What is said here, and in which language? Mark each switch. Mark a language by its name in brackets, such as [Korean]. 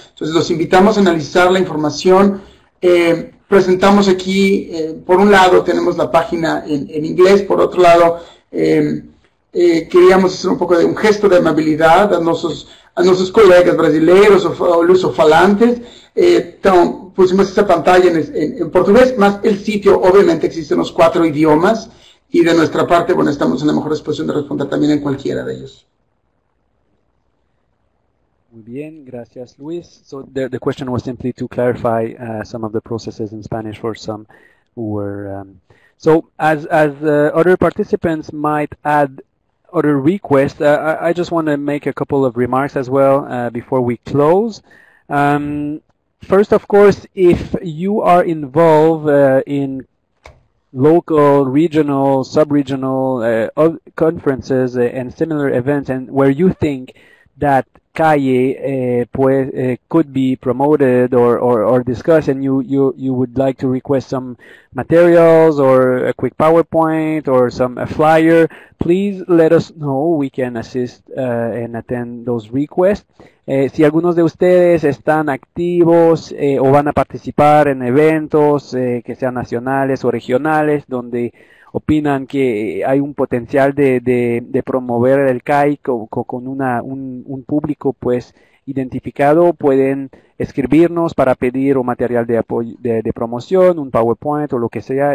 [Spanish] Entonces, los invitamos a analizar la información. Presentamos aquí, por un lado, tenemos la página en inglés, por otro lado, queríamos hacer un poco de un gesto de amabilidad a nuestros colegas brasileños o lusofalantes. Pusimos esa pantalla en portugués, más el sitio. Obviamente existen los 4 idiomas, y de nuestra parte, bueno, estamos en la mejor disposición de responder también en cualquiera de ellos. Muy bien, gracias, Luis. [English] So the question was simply to clarify some of the processes in Spanish for some who were. So as other participants might add other requests, I just want to make a couple of remarks as well before we close. First, of course, if you are involved in local, regional, sub-regional conferences and similar events, and where you think that CAIE could be promoted or discussed, and you would like to request some materials or a quick PowerPoint or a flyer, please let us know. We can assist and attend those requests. [Spanish] Si algunos de ustedes están activos o van a participar en eventos que sean nacionales o regionales donde opinan que hay un potencial de promover el CAIE con un público pues identificado, pueden escribirnos para pedir un material de apoyo de promoción, un PowerPoint o lo que sea.